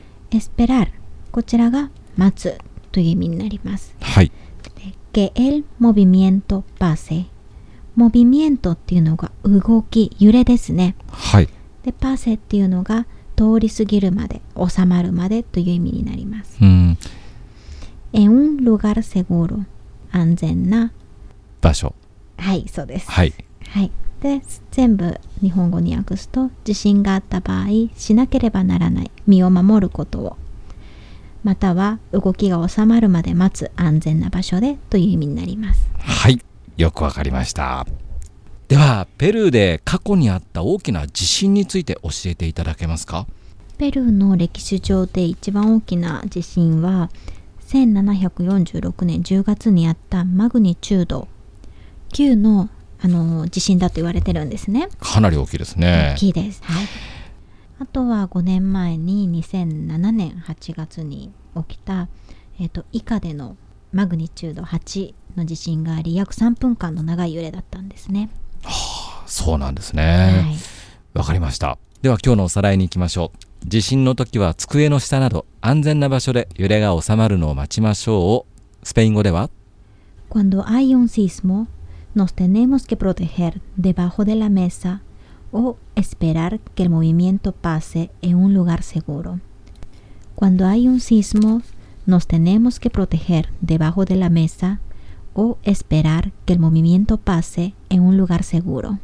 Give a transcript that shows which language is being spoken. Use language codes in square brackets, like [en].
[ja] エスペラル、こちらが待つという意味になります。はい、 [es] que el movimiento pase、 [ja] movimiento っていうのが動き、揺れですね。はい、で、 pase っていうのが通り過ぎるまで、収まるまでという意味になります。うん、 [es] en un lugar seguro、 [ja] 安全な場所。はい、そうです。はい、はい、で、全部日本語に訳すと、地震があった場合しなければならない、身を守ることを、または動きが収まるまで待つ、安全な場所でという意味になります。はい、よくわかりました。ではペルーで過去にあった大きな地震について教えていただけますか。ペルーの歴史上で一番大きな地震は1746年10月にあったマグニチュード9の地震だと言われてるんですね。かなり大きいですね。大きいです、はい、あとは5年前に2007年8月に起きた、以下でのマグニチュード8の地震があり、約3分間の長い揺れだったんですね。はあ、そうなんですね。はい、わかりました。では今日のおさらいに行きましょう。地震の時は机の下など安全な場所で揺れが収まるのを待ちましょうを、スペイン語では [es] Cuando hay un sismoNos tenemos que proteger debajo de la mesa o esperar que el movimiento pase en un lugar seguro. Cuando hay un sismo, nos tenemos que proteger debajo de la mesa o esperar que el movimiento pase en un lugar seguro.